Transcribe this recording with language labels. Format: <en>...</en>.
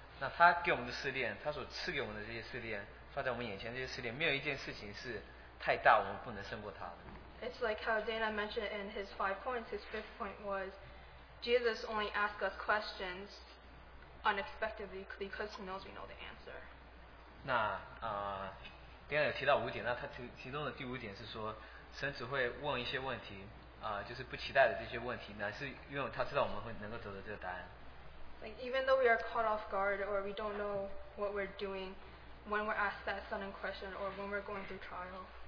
<zh>那他给我们的试炼，他所赐给我们的这些试炼，在我们眼前这些试炼，没有一件事情是太大，我们不能胜过他的。</zh> <en>It's like how Dana mentioned in his five points. His fifth point was, Jesus only asks us questions unexpectedly because he knows we know the answer.</en> <zh>那啊，Dana有提到五点，那他其中的第五点是说，神只会问一些问题啊，就是不期待的这些问题，乃是因为他知道我们会能够得到这个答案。</zh> <en>Like even though we are caught off guard or we don't know what we're doing when we're asked that sudden question or when we're going through trial.</en>